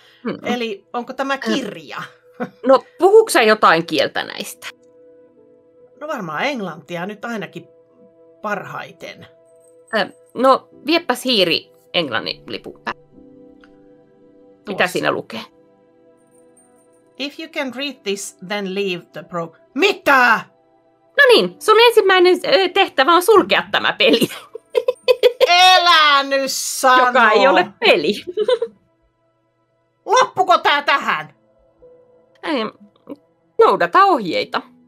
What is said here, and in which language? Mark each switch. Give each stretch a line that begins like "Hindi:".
Finnish: Mm-hmm. Eli onko tämä kirja? No, puhuuko sä jotain kieltä näistä? No varmaan englantia nyt ainakin parhaiten. No, vieppäs hiiri englannin lipun päälle. Mitä siinä lukee?
English: If you can read this, then leave the program.
Finnish: Mitä? No niin, sun ensimmäinen tehtävä on sulkea tämä peli. Elänyt sano! Joka ei ole peli. Loppuko tää tähän? Noudata ohjeita.